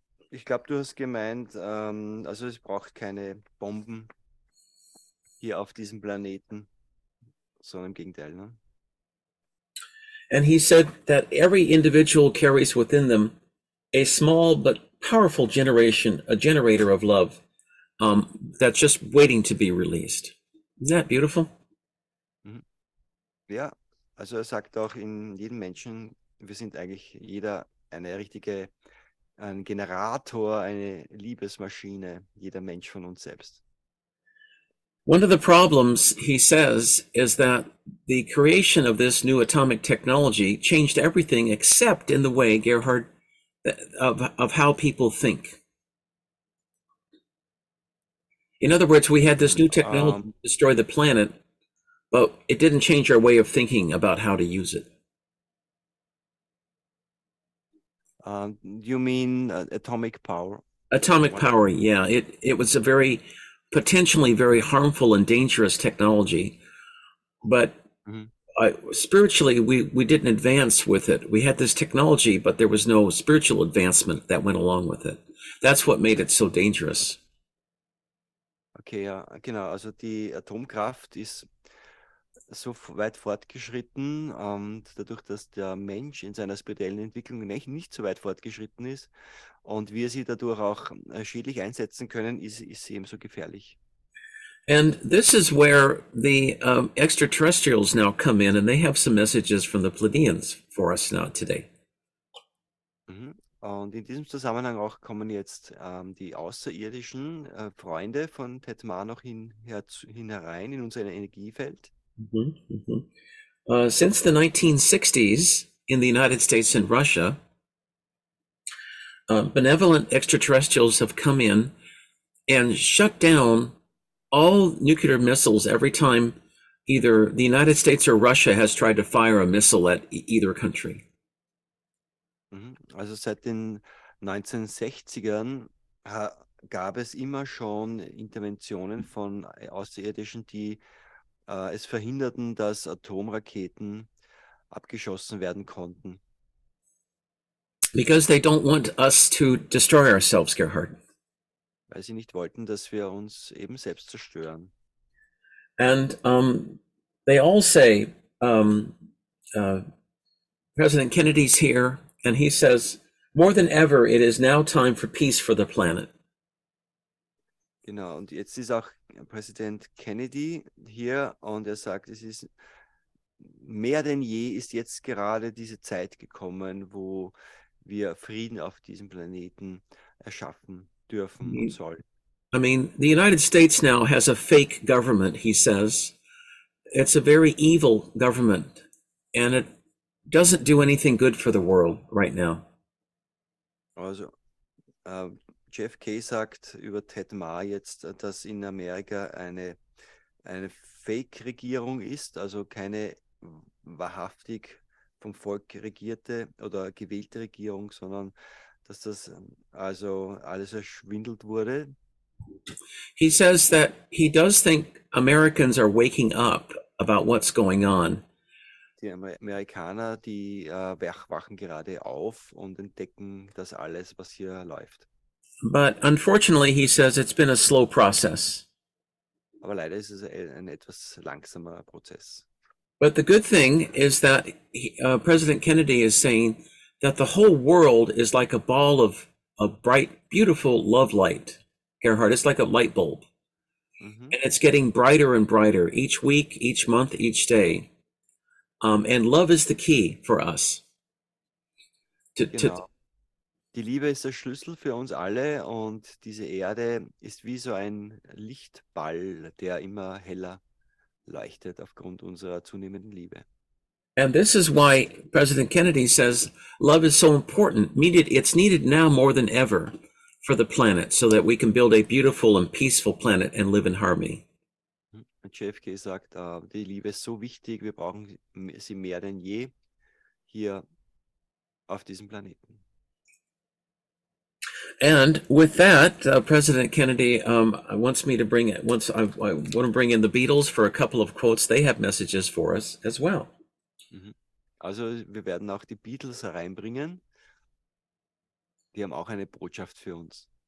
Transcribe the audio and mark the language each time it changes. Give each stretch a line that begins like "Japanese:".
German: Ich glaube, du hast gemeint, also es braucht keine Bomben hier auf diesem Planeten, sondern im Gegenteil. Ne?
English: And he said that every individual carries within them a small but powerful generation, a generator of love, that's just waiting to be released. Isn't that beautiful?
German: Ja, also er sagt auch in jedem Menschen, wir sind eigentlich jeder eine richtige ein Generator, eine Liebesmaschine, jeder Mensch von uns selbst.
English: One of the problems, he says, is that the creation of this new atomic technology changed everything except in the way, Gerhard, of how people think. In other words, we had this new technology destroy the planet, but it didn't change our way of thinking about how to use it. You mean atomic power? Atomic power, yeah. It was a very potentially very harmful and dangerous technology, but spiritually we didn't advance with it. We had this technology, but there was no spiritual advancement that went along with it. That's what made it so dangerous.
German: Okay, ja, genau. Also die Atomkraft ist so weit fortgeschritten und dadurch, dass der Mensch in seiner spirituellen Entwicklung nicht so weit fortgeschritten ist und wir sie dadurch auch schädlich einsetzen können, ist sie eben so gefährlich.
English: And this is where the extraterrestrials now come in and they have some messages from the Pleiadians for us now today.
German: Und in diesem Zusammenhang auch kommen jetzt die außerirdischen Freunde von Tetma noch hinein in unser Energiefeld.
English: Since the 1960s in the United States and Russia, benevolent extraterrestrials have come in and shut down all nuclear missiles every time either the United States or Russia has tried to fire a missile at either country.
German: Also seit den 1960ern gab es immer schon Interventionen von Außerirdischen, die es verhinderten, dass Atomraketen abgeschossen werden konnten.
English: Because they don't want us to destroy ourselves, Gerhard.
German: Weil sie nicht wollten, dass wir uns eben selbst zerstören.
English: And they all say, President Kennedy's here, and he says, more than ever, it is now time for peace for the planet.
German: Genau, und jetzt ist auch Präsident Kennedy hier, und er sagt, es ist mehr denn je, ist jetzt gerade diese Zeit gekommen, wo wir Frieden auf diesem Planeten erschaffen dürfen und sollen.
English: I mean, the United States now has a fake government, he says. It's a very evil government, and it doesn't do anything good for the world right now.
German: Also, Jeff Kay sagt über Ted Ma jetzt, dass in Amerika eine Fake-Regierung ist, also keine wahrhaftig vom Volk regierte oder gewählte Regierung, sondern dass das also alles erschwindelt wurde.
English: He says that he does think Americans are waking up about what's going on.
German: Die Amerikaner, die wachen gerade auf und entdecken das alles, was hier läuft.
English: But unfortunately, he says it's been a slow process.
German: Aber leider ist es ein etwas langsamer Prozess.
English: But the good thing is that President Kennedy is saying that the whole world is like a ball of a bright, beautiful love light, Gerhard. It's like a light bulb. Mm-hmm. And it's getting brighter and brighter each week, each month, each day. And love is the key for us.
German: Die Liebe ist der Schlüssel für uns alle, und diese Erde ist wie so ein Lichtball, der immer heller leuchtet aufgrund unserer zunehmenden Liebe.
English: And this is why President Kennedy says love is so important. It's needed now more than ever for the planet, so that we can build a beautiful and peaceful planet and live in harmony.
German: JFK sagt, die Liebe ist so wichtig, wir brauchen sie mehr denn je hier auf diesem Planeten.
English: And with that, President Kennedy I want to bring in the Beatles for a couple of quotes. They have messages for us as well.
German: Also, wir werden auch die Beatles reinbringen. Die haben auch eine Botschaft für uns.